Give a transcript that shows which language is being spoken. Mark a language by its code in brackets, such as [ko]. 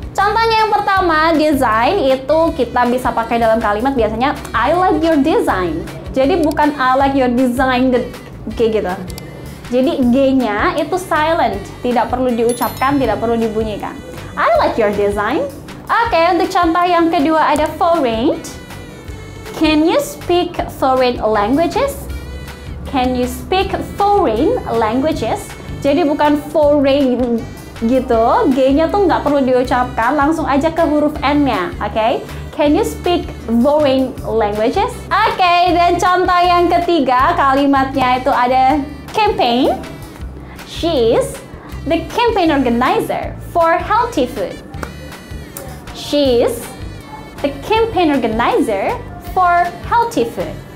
[id] Contohnya yang pertama, design itu kita bisa pakai dalam kalimat biasanya [en] I like your design. [id] Jadi, bukan [en] I like your design, [id] kayak gitu. Jadi, G-nya itu silent. Tidak perlu diucapkan, tidak perlu dibunyikan. [en] I like your design. [id] Okay, untuk contoh yang kedua ada foreign. [en] Can you speak foreign languages? Can you speak foreign languages? [id] Jadi bukan foreign gitu, G-nya tuh nggak perlu diucapkan, langsung aja ke huruf N-nya, okay? [en] Can you speak foreign languages? [id] Okay, dan contoh yang ketiga kalimatnya itu ada campaign. [en] She's the campaign organizer for healthy food. She's the campaign organizer for healthy food.